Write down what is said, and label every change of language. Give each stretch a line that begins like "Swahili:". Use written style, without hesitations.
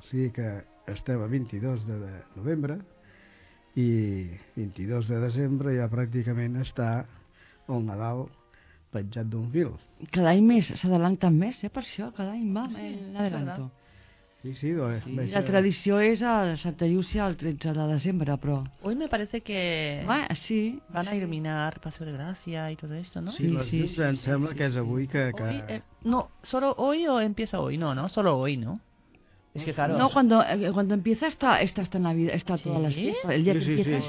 Catalan: O sigui que estem a 22 de novembre, i 22 de desembre ja pràcticament està el Nadal penjat d'un fil. Cada any més, s'adelanta més, per això, cada any va, l'adelanto. Sí, doncs. La tradició és a Santa Llúcia el 13 de desembre, però...
Spanish: Hoy me parece que sí, van a iluminar Paseo de Gracia y todo esto, ¿no?
Catalan: Sí, sí, sí, sí, em sembla que és avui que...
Spanish: No, ¿solo hoy o empieza hoy? No, solo hoy, ¿no? Es que claro, no, cuando empieza está hasta Navidad, está toda la fiesta, el día que empieza